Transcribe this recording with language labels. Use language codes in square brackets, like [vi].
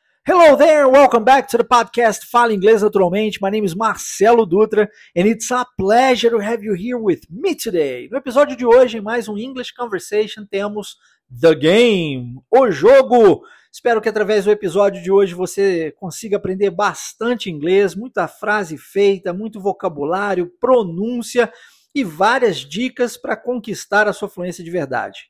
[en] Hello there, welcome back to the podcast Fala Inglês Naturalmente. My name is Marcelo Dutra and it's a pleasure to have you here with me today. [pt] No episódio de hoje, em mais um English Conversation, temos The Game, o jogo. Espero que através do episódio de hoje você consiga aprender bastante inglês, muita frase feita, muito vocabulário, pronúncia e várias dicas para conquistar a sua fluência de verdade.